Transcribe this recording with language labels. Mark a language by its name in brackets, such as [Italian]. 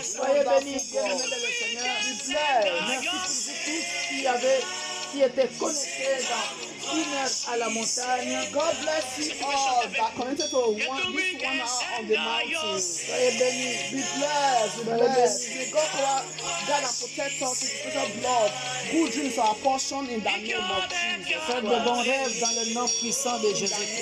[French] Soyez bénis, bien-aimés le Seigneur. Merci pour vous tous qui étaient connectés dans une heure à la montagne. [English] God bless you all that connected to one hour on the mountain. [French] Soyez bénis. [English] Be blessed. God will protect us with His blood. Good dreams are portioned in the name of Jesus. [French] Faites de bons rêves dans le nom puissant de Jésus.